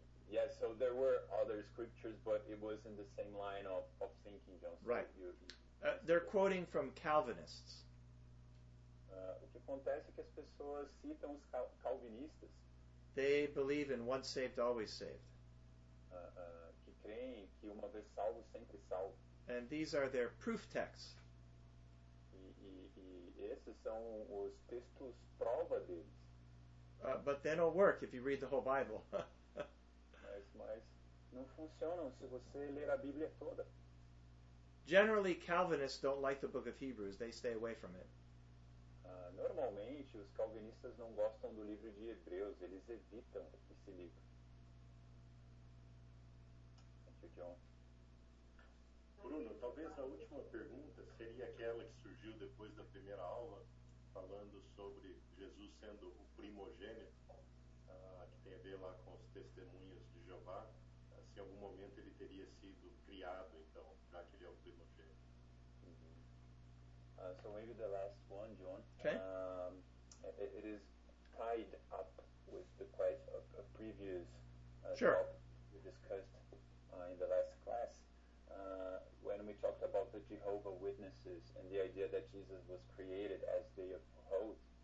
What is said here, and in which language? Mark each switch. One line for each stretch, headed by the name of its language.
English: Yeah, so there were other scriptures, but it was in the same line of thinking, John. Right. They're quoting from Calvinists.
Portuguese: O que acontece é que as pessoas citam os calvinistas.
English: They believe in once saved, always saved.
Portuguese: Que creem que uma vez salvo, sempre salvo.
English: And these are their proof texts.
Portuguese: E esses são os textos prova deles.
English: But they don't work if you read the whole Bible.
Portuguese: mas não funcionam se você ler a Bíblia toda.
English: Generally, Calvinists don't like the book of Hebrews. They stay away from it.
Portuguese: Normalmente, os calvinistas não gostam do livro de Hebreus. Eles evitam esse livro.
English: Thank you, John.
Portuguese: Bruno, talvez a última pergunta seria aquela que surgiu depois da primeira aula, falando sobre Jesus sendo o primogênito, que tem a ver lá com os testemunhos de Jeová, se em algum momento ele teria sido criado, então, já que ele é o primogênito.
English: So maybe the last one, John. Okay. It is tied up with the quite a previous sure. Talk we discussed in the last class. When we talked about the Jehovah Witnesses and the idea that Jesus was created as they uphold.